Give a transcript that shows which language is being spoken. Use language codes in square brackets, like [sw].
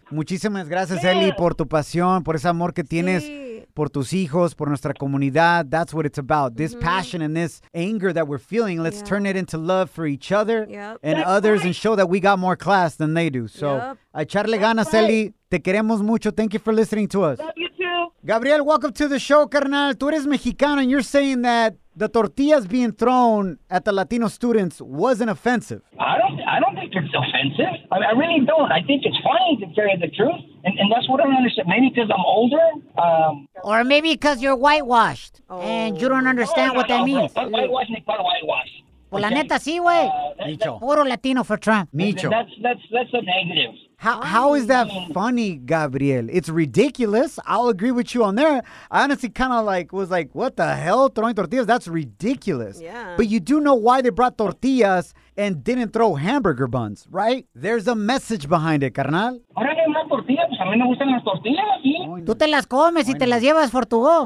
[es] Muchísimas gracias, Ellie, por tu pasión, por ese amor que tienes por tus hijos, por nuestra comunidad. [en] That's what it's about. This passion and this anger that we're feeling, let's turn it into love for each other and That's others and show that we got more class than they do. So, [es] echarle ganas, [en] Ellie. [es] Te queremos mucho. [en] Thank you for listening to us. Love you too. Gabriel, welcome to the show, carnal. [es] Tú eres mexicano [en] and you're saying that the tortillas being thrown at the Latino students wasn't offensive. I don't think it's offensive. I really don't. I think it's funny to carry the truth. And that's what I don't understand. Maybe because I'm older. Or maybe because you're whitewashed. And you don't understand what that means. But whitewashed makes part of whitewashed. [es] Pues la neta, sí, güey. Puro Latino [en] for Trump. Micho. That's a negative. How is that funny, Gabriel? It's ridiculous. I'll agree with you on there. I honestly kind of like was like, what the hell? Throwing tortillas? That's ridiculous. Yeah. But you do know why they brought tortillas and didn't throw hamburger buns, right? There's a message behind it, carnal. [es] Ahora que más tortillas, pues a mí me gustan las tortillas, ¿sí? Tú te las comes y te las llevas [en] for [es] tu go.